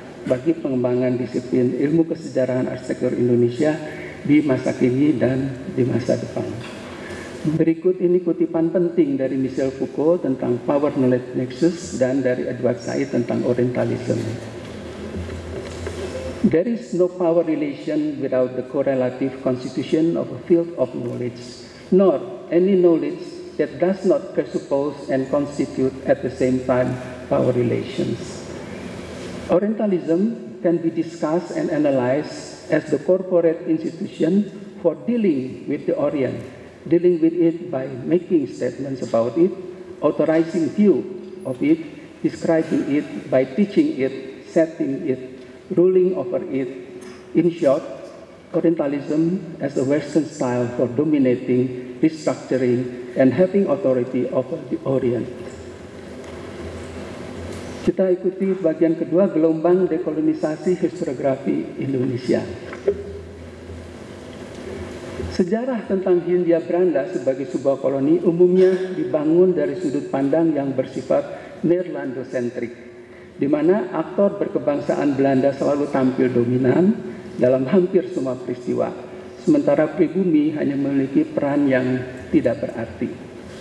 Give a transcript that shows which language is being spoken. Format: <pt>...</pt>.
<id>bagi pengembangan disiplin ilmu kesejarahan arsitektur Indonesia di masa kini dan di masa depan. Berikut ini kutipan penting dari Michel Foucault tentang Power Knowledge Nexus dan dari Edward Said tentang Orientalism.</id> <en>There is no power relation without the correlative constitution of a field of knowledge, nor any knowledge that does not presuppose and constitute at the same time power relations. Orientalism can be discussed and analyzed as the corporate institution for dealing with the Orient, dealing with it by making statements about it, authorizing view of it, describing it by teaching it, setting it, ruling over it. In short, Orientalism as a Western style for dominating, restructuring, and having authority over the Orient.</en> <id>Kita ikuti bagian kedua, gelombang dekolonisasi historiografi Indonesia. Sejarah tentang Hindia Belanda sebagai sebuah koloni umumnya dibangun dari sudut pandang yang bersifat Nederlandocentric, di mana aktor berkebangsaan Belanda selalu tampil dominan dalam hampir semua peristiwa, sementara pribumi hanya memiliki peran yang tidak berarti.</id>